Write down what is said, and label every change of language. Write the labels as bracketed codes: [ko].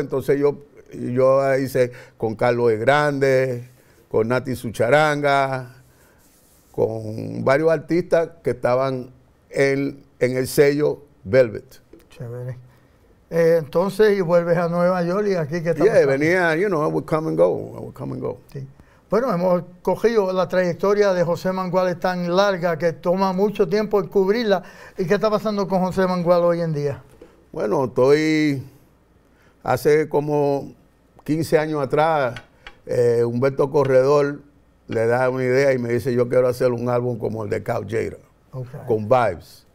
[es] Entonces yo hice con Carlos el Grande, con Nati Sucharanga, con varios artistas que estaban en el sello Velvet. Chévere. Entonces, y vuelves a Nueva York y aquí que estamos. [en] Yeah, [es] venía, [en] you know, I would come and go. [es] Sí. Bueno, hemos cogido la trayectoria de José Mangual, es tan larga que toma mucho tiempo en cubrirla. ¿Y qué está pasando con José Mangual hoy en día? Bueno, estoy, hace como 15 años atrás, Humberto Corredor le da una idea y me dice, yo quiero hacer un álbum como el de Cal Jada, okay, con Vibes.